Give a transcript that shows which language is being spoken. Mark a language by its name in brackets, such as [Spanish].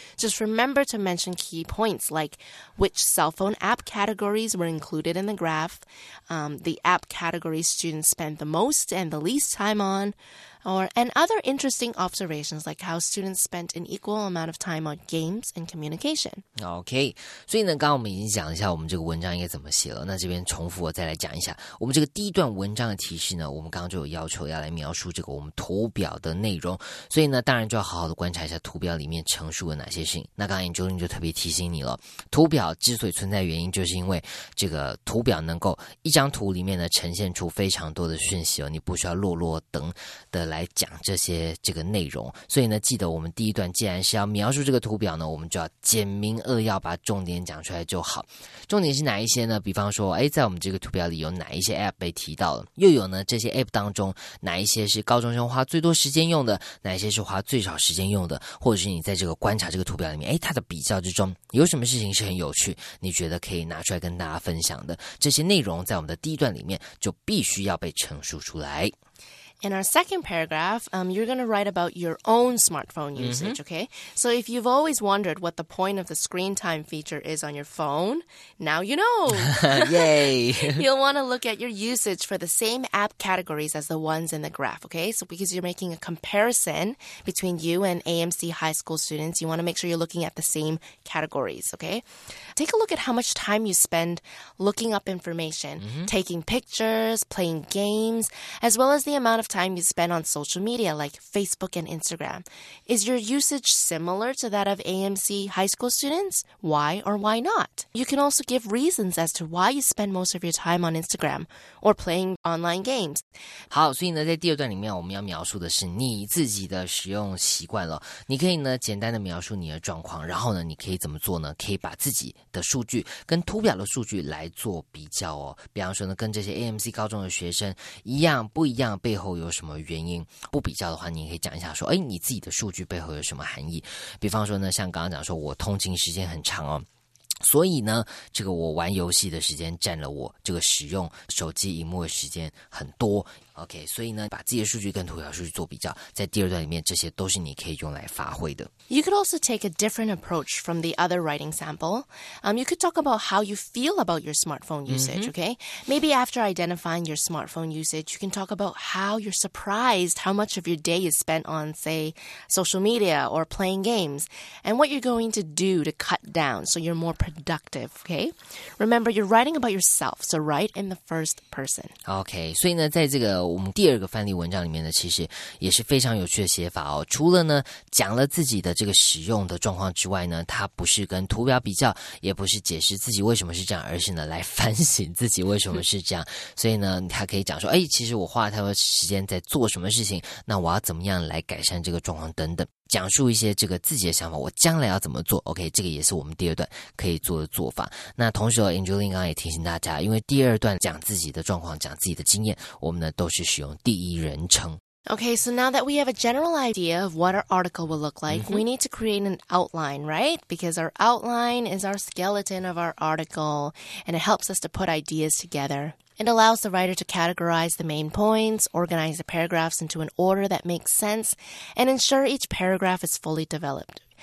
[English] Just remember to mention key points like which cell phone app categories were included in the graph, the app categories students spend the most and the least time on, and other interesting observations like how students spent an equal amount of time on games and communication. [Chinese] Okay, 所以呢，刚刚我们已经讲一下我们这个文章应该怎么写了。那这边重复我再来讲一下，我们这个第一段文章的提示呢，我们刚刚就有要求要来描述这个我们图表的内容。所以呢，当然就要好好的观察一下图表里面陈述了哪些事情。那刚刚Angeline就特别提醒你了，图表之所以存在原因，就是因为这个图表能够一张图里面呢呈现出非常多的讯息哦，你不需要落落等的来讲这些这个内容。所以呢，记得我们第一段既然是要描述这个图表呢，我们就要简明扼要把重点讲出来就好。重点是哪一些呢？比方说，哎，在我们这个图表里有哪一些 APP 被提到了，又有呢这些 APP 当中哪一些是高中生花最多时间用的，哪一些是花最少时间用的，或者是你在这个观察这个图表里面，哎，它的比较之中有什么事情是很有趣，你觉得可以拿出来跟大家分享的，这些内容在我们的第一段里面就必须要被陈述出来。 [English] In our second paragraph, you're going to write about your own smartphone usage, okay? So if you've always wondered what the point of the screen time feature is on your phone, now you know! Yay! You'll want to look at your usage for the same app categories as the ones in the graph, okay? So because you're making a comparison between you and AMC high school students, you want to make sure you're looking at the same categories, okay? Take a look at how much time you spend looking up information, taking pictures, playing games, as well as the amount of time you spend on social media like Facebook and Instagram. Is your usage similar to that of AMC high school students? Why or why not? You can also give reasons as to why you spend most of your time on Instagram or playing online games. [Chinese] 好，所以呢，在第二段里面我们要描述的是你自己的使用习惯了。你可以呢简单的描述你的状况，然后呢你可以怎么做呢？可以把自己的数据跟图表的数据来做比较哦。比方说呢，跟这些 AMC 高中的学生一样不一样，背后有什么原因？不比较的话，你可以讲一下说，哎，你自己的数据背后有什么含义？比方说呢，像刚刚讲说，我通勤时间很长哦，所以呢，这个我玩游戏的时间占了我这个使用手机萤幕的时间很多。 OK， 所以呢，把自己的数据跟图表数据做比较，在第二段里面，这些都是你可以用来发挥的。 [English] You could also take a different approach from the other writing sample. You could talk about how you feel about your smartphone usage. Okay, maybe after identifying your smartphone usage, you can talk about how you're surprised how much of your day is spent on, say, social media or playing games, and what you're going to do to cut down so you're more productive. productive, okay? Remember, you're writing about yourself, so write in the first person. [Chinese] Okay, 所以呢，在这个我们第二个范例文章里面呢，其实也是非常有趣的写法哦。除了呢，讲了自己的这个使用的状况之外呢，它不是跟图表比较，也不是解释自己为什么是这样，而是呢，来反省自己为什么是这样。所以呢，它可以讲说，哎，其实我花了太多时间在做什么事情，那我要怎么样来改善这个状况等等。讲述一些这个自己的想法，我将来要怎么做 ？OK， 这个也是我们第二段可以做的做法。那同时 ，Angeline 刚刚也提醒大家，因为第二段讲自己的状况、讲自己的经验，我们呢都是使用第一人称。 [English] Okay, so now that we have a general idea of what our article will look like, we need to create an outline, right? Because our outline is our skeleton of our article, and it helps us to put ideas together. It allows the writer to categorize the main points, organize the paragraphs into an order that makes sense, and ensure each paragraph is fully developed.